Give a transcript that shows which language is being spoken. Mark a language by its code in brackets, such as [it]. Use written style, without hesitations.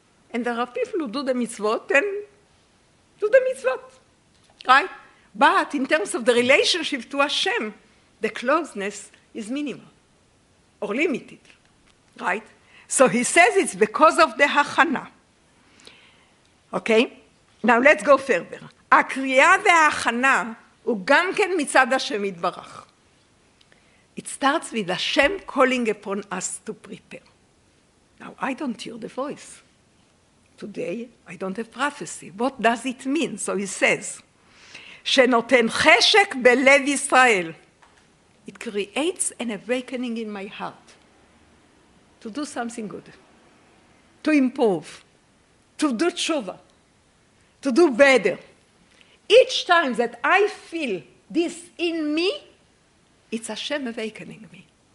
[en] And there are people who do the mitzvot and do the mitzvot, right? But in terms of the relationship to Hashem, the closeness is minimal or limited, right? So he says it's because of the hachana. Okay? Now let's go further. [he] הקריאה וההכנה הוא גם כן מצד השם יתברך. [en] It starts with Hashem calling upon us to prepare. Now, I don't hear the voice. Today, I don't have prophecy. What does it mean? So he says, [he] שנותן חשק בלב ישראל. [en] It creates an awakening in my heart to do something good, to improve, to do tshuva, to do better. Each time that I feel this in me, it's Hashem awakening me.